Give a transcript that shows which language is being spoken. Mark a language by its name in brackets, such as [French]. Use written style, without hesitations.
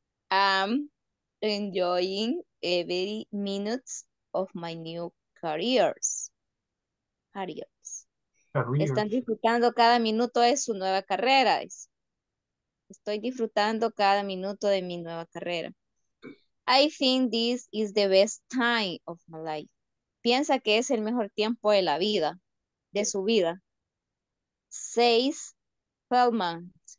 [English] I'm enjoying every minute of my new careers. [Spanish] Están disfrutando cada minuto de su nueva carrera. Estoy disfrutando cada minuto de mi nueva carrera. [English] I think this is the best time of my life. [Spanish] Piensa que es el mejor tiempo de la vida, de su vida. [English] Says Feldman.